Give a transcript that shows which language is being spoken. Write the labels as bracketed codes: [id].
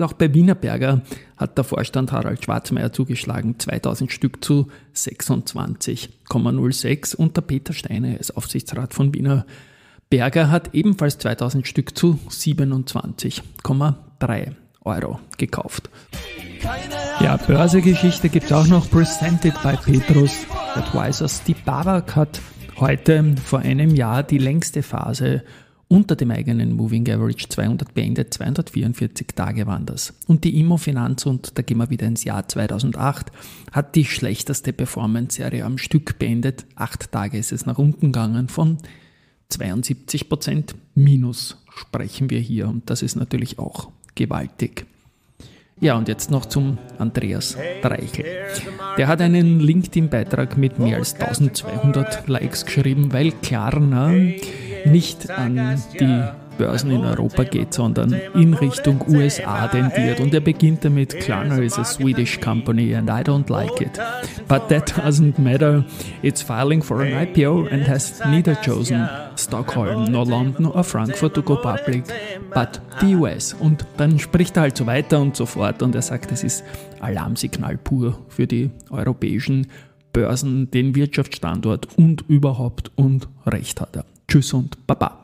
[de] Auch bei Wienerberger hat der Vorstand Harald Schwarzmeier zugeschlagen, 2000 Stück zu 26,06. Und der Peter Steiner, als Aufsichtsrat von Wienerberger, hat ebenfalls 2000 Stück zu 27,3 Euro gekauft. Ja, Börsegeschichte gibt es auch noch. [en] Presented by Petrus Advisors. [de] Die Babak hat heute vor einem Jahr die längste Phase unter dem eigenen Moving Average 200 beendet, 244 Tage waren das. Und die Immo Finanz, und da gehen wir wieder ins Jahr 2008, hat die schlechteste Performance-Serie am Stück beendet. 8 Tage ist es nach unten gegangen, von 72% Minus sprechen wir hier. Und das ist natürlich auch gewaltig. Ja, und jetzt noch zum Andreas Dreichel. Der hat einen LinkedIn-Beitrag mit mehr als 1200 Likes geschrieben, weil Klarner nicht an die Börsen in Europa geht, sondern in Richtung USA tendiert. Und er beginnt damit, [en] Klarner is a Swedish company and I don't like it. But that doesn't matter. It's filing for an IPO and has neither chosen Stockholm, nor London or Frankfurt to go public, but the US. [de] Und dann spricht er halt so weiter und so fort und er sagt, es ist Alarmsignal pur für die europäischen Börsen, den Wirtschaftsstandort und überhaupt, und recht hat er. Tschüss und Baba.